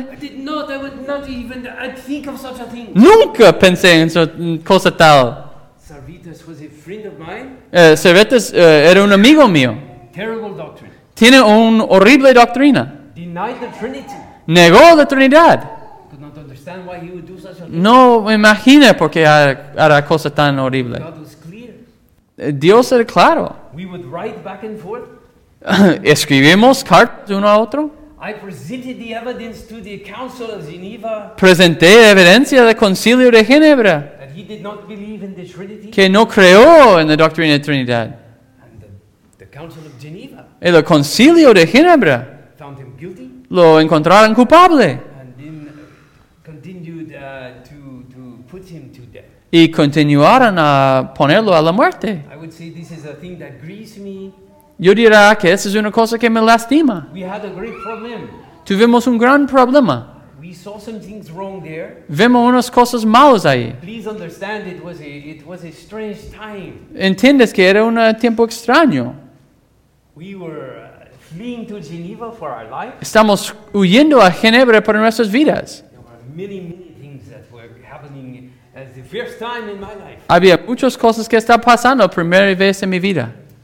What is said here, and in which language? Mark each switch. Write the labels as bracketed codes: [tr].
[en] I would not think of such a thing. [es] Nunca pensé en cosa tal. [en] Cervantes was a friend of mine. [es] Era un amigo mío. [en] Terrible doctrine. [es] Tiene una horrible doctrina. [en] Denied the Trinity. [es] Negó la Trinidad. [en] Could not understand why he would do such a thing. [es] No me imagino por qué hará cosa tan horrible. [en] God was clear. [es] Dios era claro. [en] We would write back and forth. [es] Escribimos cartas uno a otro. [en] I presented the evidence to the Council of Geneva. [es] Presenté evidencia del Concilio de Ginebra. [en] That he did not believe in the Trinity. [es] Que no creó en la doctrina de Trinidad. [en] And the Council of Geneva. [es] El Concilio de Ginebra. [en] Found him guilty. [es] Lo encontraron culpable. [en] And then continued to put him to death. [es] Y continuaron a ponerlo a la muerte. [en] I would say this is a thing that grieves me. [es] Yo diría que esa es una cosa que me lastima. [en] We had a great problem. [es] Tuvimos un gran problema. [en] We saw some things wrong there. [es] Vimos unas cosas malas ahí. [en] Please understand, it was a strange time. [es] Entiendes que era un tiempo extraño. [en] We were fleeing to Geneva for our life. [es] Estamos huyendo a Ginebra por nuestras vidas. [en] There were many things that were happening as the first time in my life. [es] Había muchas cosas que estaban pasando la primera vez en mi vida.